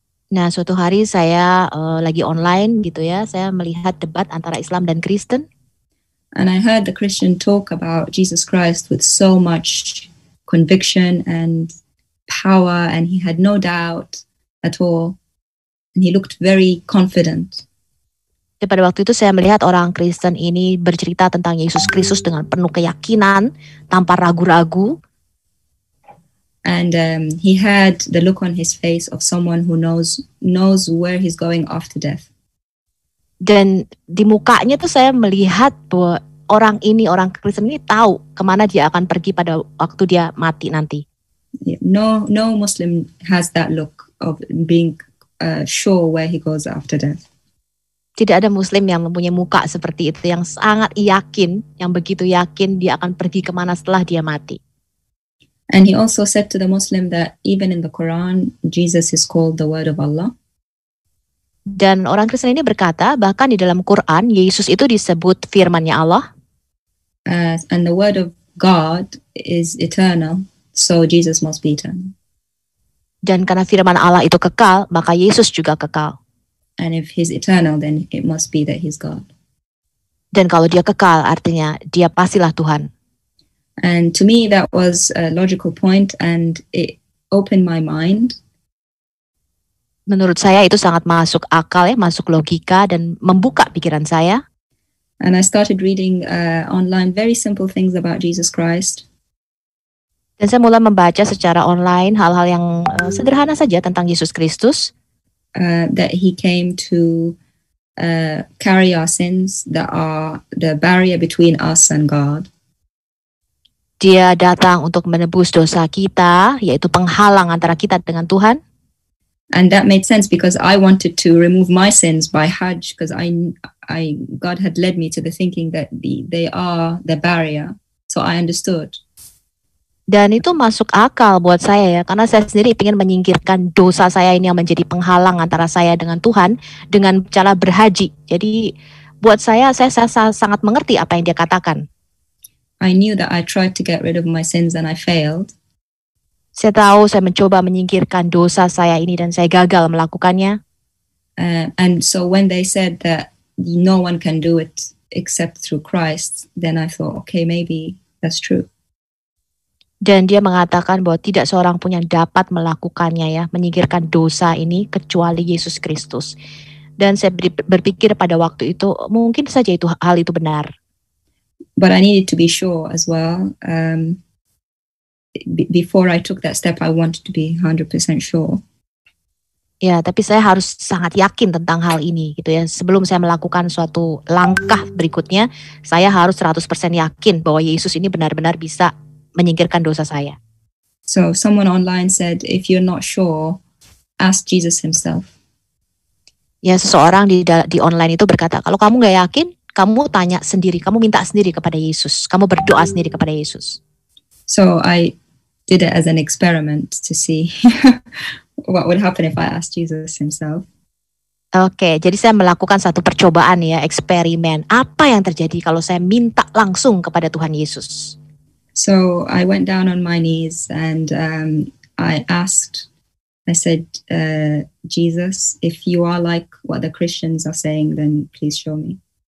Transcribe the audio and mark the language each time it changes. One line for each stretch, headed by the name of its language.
Indonesian: Nah, suatu hari saya lagi online gitu ya. Saya melihat debat antara Islam dan Kristen.
English: And I heard the Christian talk about Jesus Christ with so much conviction and power, and he had no doubt at all, and he looked very confident.
Indonesian: Pada waktu itu saya melihat orang Kristen ini bercerita tentang Yesus Kristus dengan penuh keyakinan, tanpa ragu-ragu.
English: And he had the look on his face of someone who knows where he's going after death.
Indonesian: Dan di mukanya tuh saya melihat bahwa orang ini, orang Kristen ini tahu kemana dia akan pergi pada waktu dia mati nanti.
English: No Muslim has that look of being sure where he goes after death.
Indonesian: Tidak ada Muslim yang mempunyai muka seperti itu, yang sangat yakin, yang begitu yakin dia akan pergi kemana setelah dia mati.
English: And he also said to the Muslim that even in the Quran, Jesus is called the word of Allah.
Indonesian: Dan orang Kristen ini berkata, bahkan di dalam Quran, Yesus itu disebut firmannya Allah.
English: And the word of God is eternal, so Jesus must be eternal.
Indonesian: Dan karena firman Allah itu kekal, maka Yesus juga kekal.
English: And if he's eternal, then it must be that he's God.
Indonesian: Dan kalau dia kekal, artinya dia pastilah Tuhan.
English: And to me, that was a logical point, and it opened my mind.
Indonesian: Menurut saya itu sangat masuk akal ya, masuk logika dan membuka pikiran saya.
English: And I started reading online very simple things about Jesus Christ.
Indonesian: Dan saya mulai membaca secara online hal-hal yang sederhana saja tentang Yesus Kristus.
English: That he came to carry our sins, that are the barrier between us and God.
Indonesian: Dia datang untuk menebus dosa kita, yaitu penghalang antara kita dengan Tuhan.
English: And that made sense because I wanted to remove my sins by Hajj, because I God had led me to the thinking that they are the barrier, so I understood.
Indonesian: Dan itu masuk akal buat saya ya, karena saya sendiri ingin menyingkirkan dosa saya ini yang menjadi penghalang antara saya dengan Tuhan dengan cara berhaji. Jadi buat saya sangat mengerti apa yang dia katakan.
English: I knew that I tried to get rid of my sins and I failed.
Indonesian: Saya tahu saya mencoba menyingkirkan dosa saya ini dan saya gagal melakukannya.
English: And so when they said that no one can do it except through Christ, then I thought, okay, maybe that's true.
Indonesian: Dan dia mengatakan bahwa tidak seorang pun yang dapat melakukannya ya, menyingkirkan dosa ini kecuali Yesus Kristus. Dan saya berpikir pada waktu itu, mungkin saja itu hal itu benar.
English: But I needed to be sure as well. Before I took that step, I wanted to be 100% sure.
Indonesian: Ya, tapi saya harus sangat yakin tentang hal ini gitu ya. Sebelum saya melakukan suatu langkah berikutnya, saya harus 100% yakin bahwa Yesus ini benar-benar bisa menyingkirkan dosa saya.
English: So someone online said, if you're not sure, ask Jesus himself.
Indonesian: Ya, seseorang di online itu berkata, kalau kamu gak yakin, kamu tanya sendiri, kamu minta sendiri kepada Yesus, kamu berdoa sendiri kepada Yesus.
English: So I did it as an experiment to see what would happen if I asked Jesus himself.
Indonesian: Okay, jadi saya melakukan satu percobaan ya, eksperimen. Apa yang terjadi kalau saya minta langsung kepada Tuhan Yesus?
English: So I went down on my knees and I said, Jesus, if you are like what the Christians are saying, then please show me.